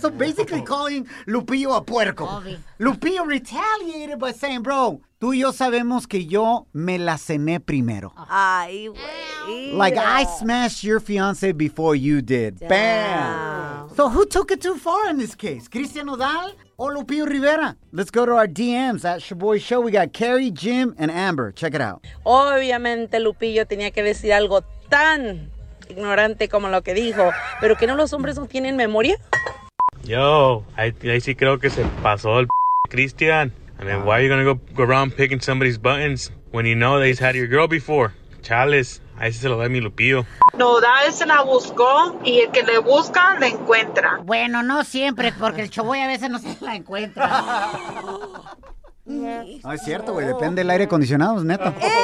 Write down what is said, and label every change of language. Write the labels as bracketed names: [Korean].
[English] So basically calling Lupillo a puerco. Lupillo retaliated by saying, bro, [Spanish] tú y yo sabemos que yo me la cené primero. Ay, güey. [English] Like, I smashed your fiance before you did. Damn. Bam. So who took it too far in this case? Cristian Nodal or Lupillo Rivera? Let's go to our DMs at ShaBoy Show. We got Carrie, Jim, and Amber. Check it out. [Spanish] Obviamente Lupillo tenía que decir algo tan ignorante como lo que dijo. ¿Pero que no los hombres no tienen memoria? Yo, ahí sí creo que se pasó el Cristian. [English] I mean, why are you going to go around picking somebody's buttons when you know that he's had your girl before? [Spanish] Chales, ahí se lo da mi Lupillo. No, da, ese la buscó y el que le busca, la encuentra. Bueno, no siempre, porque el Choboy a veces no se la encuentra. No, es cierto, güey, depende del aire acondicionado, es neta.